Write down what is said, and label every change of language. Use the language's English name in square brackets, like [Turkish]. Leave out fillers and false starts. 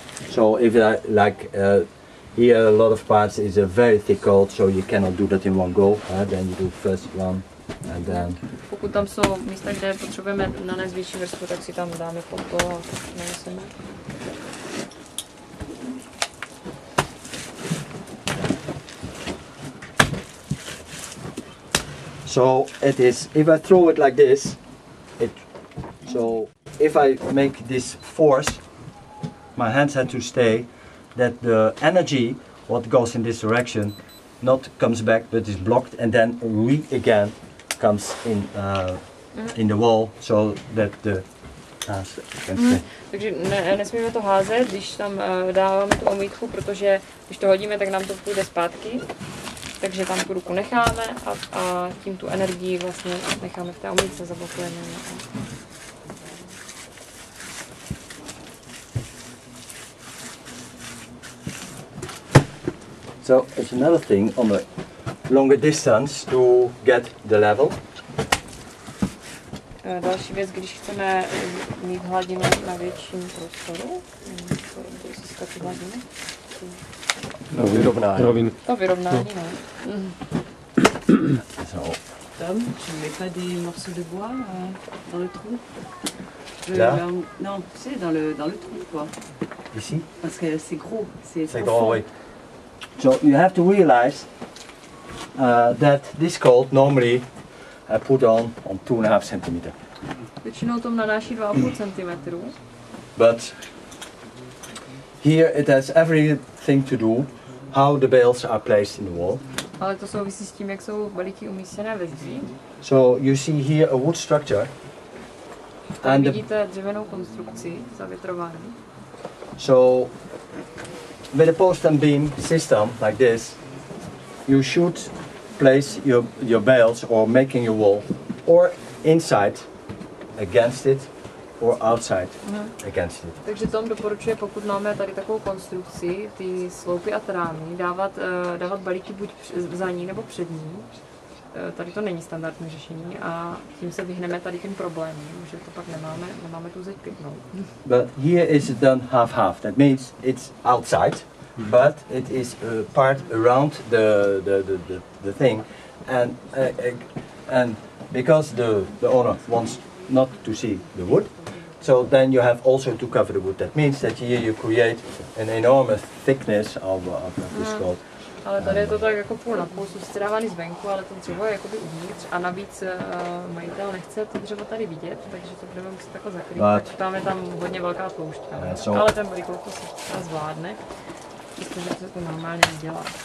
[English] So if that, like here a lot of parts is a very thick coat, so you cannot do that in one go, then you do first one. And then, [Czech] pokud tam jsou místa, kde potřebujeme nanést větší vrstvu, tak si tam dáme pod to a naneseme. [English] So it is, if I throw it like this, so if I make this force, my hands had to stay, that the energy, what goes in this direction, not comes back, but is blocked, and then again comes in in the wall, so that the hands can stay. [Czech] Takže nesmíme to házet, když tam dáváme tu omítku, protože když to hodíme, tak nám to půjde zpátky. Takže tam tu ruku necháme a tím tu energii vlastně necháme v té omítce zablokujeme. [English] So it's another thing on the longer distance to get the level. [Czech] Další věc, když chceme mít hladinu na větším prostoru, získat hladinu. No, vyrovnání. To vyrovnání, no. No. [French] Tom, tu mets pas des morceaux de bois dans le trou? Là? Non, tu sais, dans le trou, quoi. Ici? Parce que c'est gros, c'est trop grand, oui. [English] So, you have to realize that this coat, normally, I put on 2.5 cm. [Czech] Většinou tom nanáší 2.5 cm. [English] But here it has everything to do how the bales are placed in the wall. [Czech] Ale to souvisí s tím, jak jsou balíky umístěné ve zdi. [English] So you see here a wood structure. [Czech] And vidíte dřevěnou konstrukci zavětrovanou. [English] So with a post and beam system like this, you should place your bales or making your wall or inside against it. Or outside against it. [Czech] Takže Tom doporučuje, pokud máme tady takovou konstrukci, ty sloupy a trámy, dávat balíky buď za ní nebo před ní. Tady to není standardní řešení a tím se vyhneme tady těm problémům, že to pak nemáme tu zeď pěknou. [English] But here is done half half. That means it's outside, but it is a part around the thing, and because the owner wants not to see the wood, so then you have also to cover the wood. That means that here you create an enormous thickness of this coat. [Czech] Ale tady je to tak jako půl na půl, jsou sice dávány zvenku, ale to dřevo je jakoby uvnitř a navíc majitel nechce to dřevo tady vidět, takže to budeme muset takhle zakrýt, takže tam je tam hodně velká poušť, ale ten balík louku se zvládne, protože se to normálně dělá.